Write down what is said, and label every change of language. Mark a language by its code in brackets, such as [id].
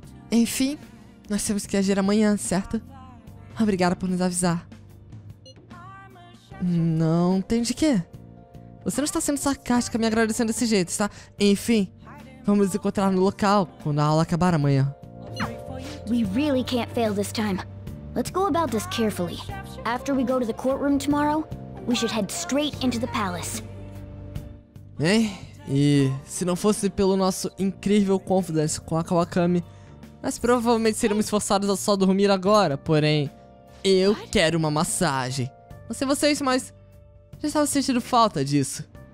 [pt] Enfim, nós temos que agir amanhã, certo? Obrigada por nos avisar. Não tem de quê. Você não está sendo sarcástica me agradecendo desse jeito, está? Enfim, vamos nos encontrar no local quando a aula acabar amanhã. [en] We really can't fail this time. Let's go about this carefully. After we go to the courtroom tomorrow, we should head straight into the palace. [pt] Hein? E se não fosse pelo nosso incrível confidence com a Kawakami, nós provavelmente seríamos forçados a só dormir agora. Porém, eu quero uma massagem. Não sei vocês, mas já estava sentindo falta disso.